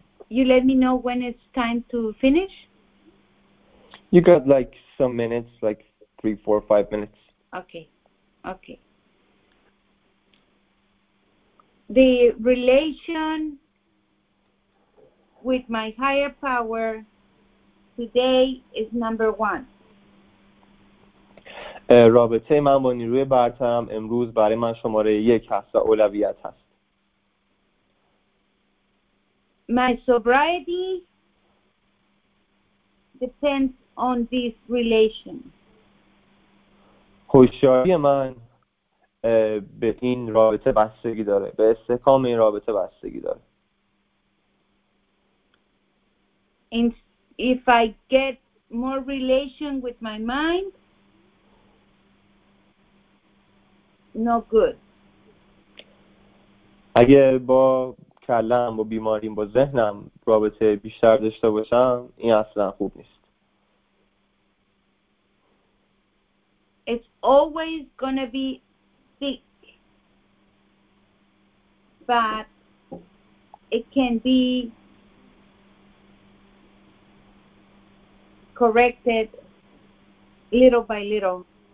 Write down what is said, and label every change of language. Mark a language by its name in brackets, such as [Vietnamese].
[English] You let me know when it's time to finish. You got like some minutes, like 3-5 minutes. Okay. The relation with my higher power today is number one. [Persian] رابطه من با نیروی برترم امروز برای من شماره یک هست و اولویت هست. [English] My sobriety depends on this relation. [Persian] هوشیاری من به این رابطه بستگی داره، به استحکام این رابطه بستگی داره. [English] If I get more relation with my mind, no good. [Persian] اگه با کلم و بیماریم با ذهنم رابطه بیشتر داشته باشم این اصلا خوب نیست. [English] It's always gonna be sick, but it can be corrected little by little.